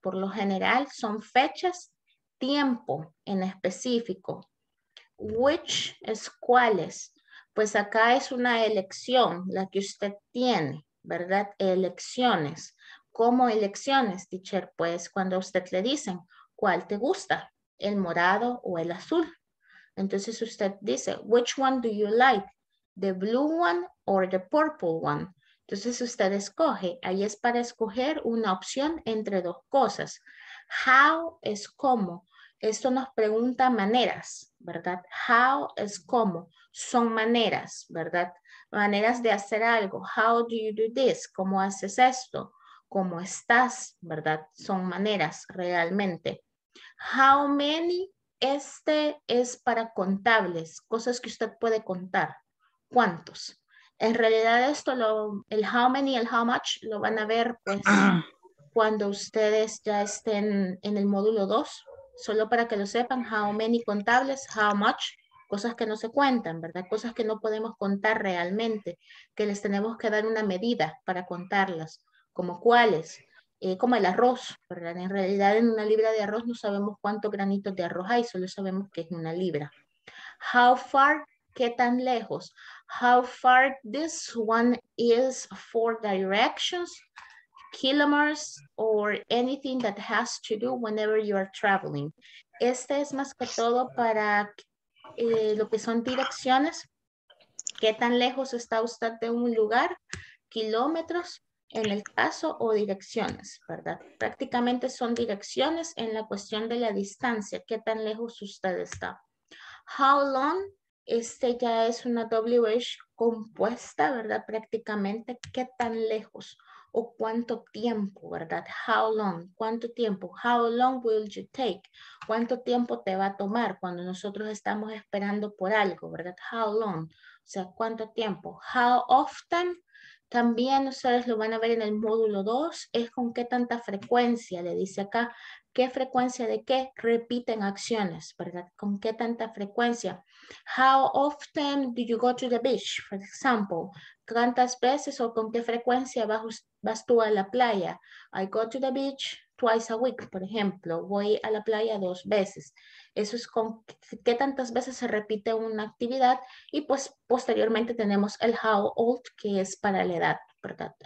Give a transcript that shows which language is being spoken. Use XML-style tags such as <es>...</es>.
<es>Por lo general son fechas, tiempo en específico. Which es cuáles. Pues acá es una elección, la que usted tiene, ¿verdad? Elecciones. como elecciones, teacher, pues cuando a usted le dicen, ¿cuál te gusta? ¿El morado o el azul?</es> <en>Entonces usted dice, which one do you like? The blue one or the purple one?</en> <es>Entonces usted escoge, ahí es para escoger una opción entre dos cosas. How es cómo. Esto nos pregunta maneras, ¿verdad? How es cómo. Son maneras, ¿verdad? Maneras de hacer algo.</es> <en>How do you do this?</en> <es>¿Cómo haces esto? ¿Cómo estás? ¿Verdad? Son maneras realmente. How many? Este es para contables, cosas que usted puede contar. ¿Cuántos? En realidad esto, el how many y el how much, lo van a ver pues, cuando ustedes ya estén en el módulo 2. Solo para que lo sepan, how many contables, how much, cosas que no se cuentan, ¿verdad? Cosas que no podemos contar realmente, que les tenemos que dar una medida para contarlas, como cuáles, como el arroz, ¿verdad? En realidad en una libra de arroz no sabemos cuántos granitos de arroz hay, solo sabemos que es una libra. How far, qué tan lejos.</es> <en>How far this one is for directions, kilometers, or anything that has to do whenever you are traveling.</en> <es>Este es más que todo para lo que son direcciones. ¿Qué tan lejos está usted de un lugar? Kilómetros, en el caso, o direcciones, ¿verdad? Prácticamente son direcciones en la cuestión de la distancia. ¿Qué tan lejos usted está? How long? Este ya es una WH compuesta, ¿verdad? Prácticamente, ¿qué tan lejos? ¿O cuánto tiempo, verdad?</es> <en>How long,</en> <es>¿cuánto tiempo?</es> <en>How long will you take?</en> <es>¿Cuánto tiempo te va a tomar cuando nosotros estamos esperando por algo, verdad? How long, o sea, ¿cuánto tiempo? How often, también ustedes lo van a ver en el módulo 2, es con qué tanta frecuencia, le dice acá, ¿qué frecuencia de qué? Repiten acciones, ¿verdad? ¿Con qué tanta frecuencia?</es> <en>How often do you go to the beach, for example?</en> <es>¿Cuántas veces o con qué frecuencia vas tú a la playa?</es> <en>I go to the beach twice a week,</en> <es>por ejemplo. Voy a la playa dos veces. Eso es con qué tantas veces se repite una actividad. Y pues posteriormente tenemos el how old, que es para la edad, ¿verdad?</es>